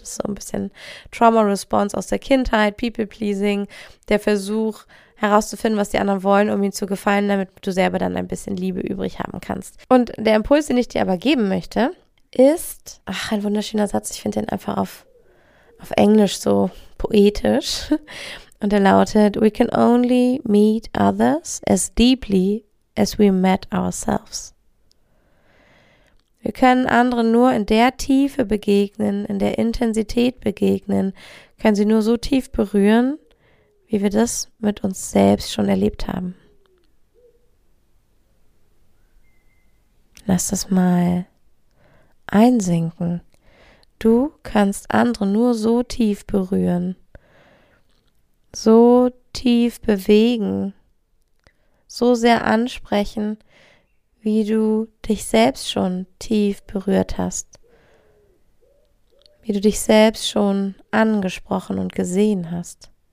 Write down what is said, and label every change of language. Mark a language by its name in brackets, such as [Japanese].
[German] Das ist so ein bisschen Trauma-Response aus der Kindheit, People-Pleasing, der Versuch herauszufinden, was die anderen wollen, um ihnen zu gefallen, damit du selber dann ein bisschen Liebe übrig haben kannst. Und der Impuls, den ich dir aber geben möchte, ist, ach, ein wunderschöner Satz, ich finde den einfach auf Englisch so poetisch. Und er lautet, [English] we can only meet others as deeply as we met ourselves. [German] Wir können anderen nur in der Tiefe begegnen, in der Intensität begegnen, können sie nur so tief berühren, wie wir das mit uns selbst schon erlebt haben. Lass das mal einsinken. Du kannst andere nur so tief berühren, so tief bewegen, so sehr ansprechen, wie du dich selbst schon tief berührt hast, wie du dich selbst schon angesprochen und gesehen hast.